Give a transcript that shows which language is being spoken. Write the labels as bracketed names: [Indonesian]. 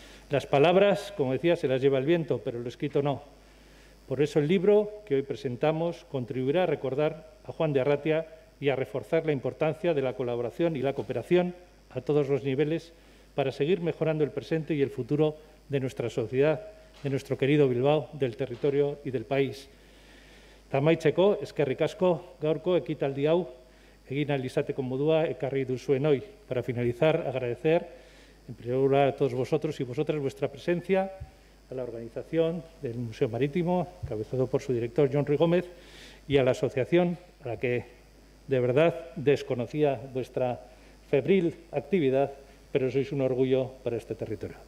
[Spanish] Las palabras, como decía, se las lleva el viento, pero lo escrito no. Por eso el libro que hoy presentamos contribuirá a recordar a Juan de Arratia y a reforzar la importancia de la colaboración y la cooperación a todos los niveles para seguir mejorando el presente y el futuro de nuestra sociedad, de nuestro querido Bilbao, del territorio y del país. [Basque] Amaitzeko, eskerrik asko, gaurko ekitaldi hau, egin ahal izateko modua, ekarri duzuen hoy. [Spanish] Para finalizar, agradecer en primer lugar a todos vosotros y vosotras vuestra presencia, a la organización del Museo Marítimo, encabezado por su director, John Ruy Gómez, y a la asociación a la que de verdad desconocía vuestra febril actividad, pero sois un orgullo para este territorio.